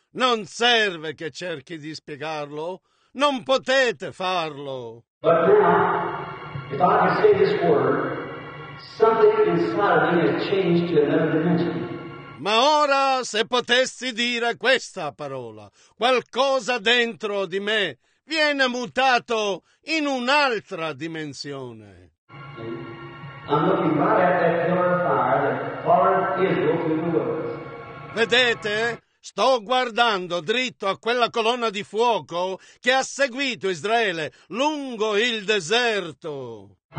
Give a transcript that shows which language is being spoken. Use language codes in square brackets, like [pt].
[it] Non serve che cerchi di spiegarlo. Non potete farlo. [en] But now, if I can say this word, something inside of me has changed to another dimension. [it] Ma ora, se potessi dire questa parola, qualcosa dentro di me viene mutato in un'altra dimensione. [en] I'm looking right at that pillar of fire that barred Israel from the wilderness. [it] Vedete? Sto guardando dritto a quella colonna di fuoco che ha seguito Israele lungo il deserto.